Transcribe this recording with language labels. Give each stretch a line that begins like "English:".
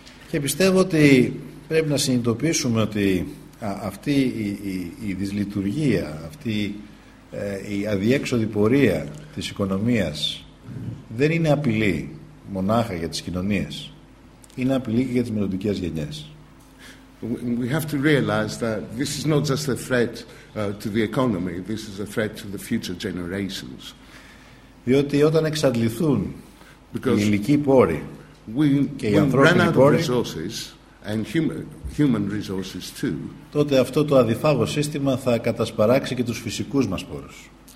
Greek: Και πιστεύω ότι πρέπει να συνειδητοποιήσουμε ότι αυτή η δυσλειτουργία, αυτή η αδιέξοδη πορεία της οικονομίας δεν είναι απειλή μονάχα για τις κοινωνίες. Είναι απειλή και για τις μελλοντικές γενιές.
English: We have to realize that this is not just a threat to the economy, this is a threat to the future generations.
Greek: Διότι όταν εξαντληθούν οι υλικοί πόροι και οι ανθρώπινοι πόροι,
English: and human resources too,
Greek: τότε αυτό το αδιφάγο σύστημα θα κατασπαράξει και τους φυσικούς μας πόρους.